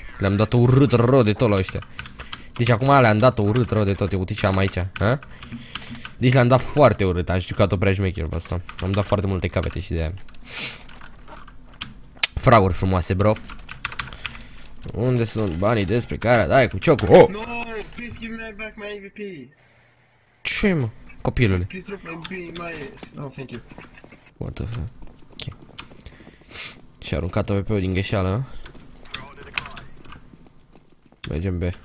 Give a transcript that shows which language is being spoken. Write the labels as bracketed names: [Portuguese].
[Romanian] Le-am dat-o urât rău de tot la ăștia. Deci acum le-am dat-o urât rău de tot, uite ce am aici, ha? Deci le-am dat foarte urât, am jucat-o prea șmecher pe asta. Am dat foarte multe capete și de aia. Fraguri frumoase, bro. Unde sunt banii despre care dai cu ciocul? Oh! [English] No, please give me back my MVP. [Romanian] Ce-i mă, copilule? [English] Please drop my MVP in my ass. No, thank you. What the fuck? Ok. [Romanian] Și-a aruncat-o pe eu din gheșeală, ha? Mergem B.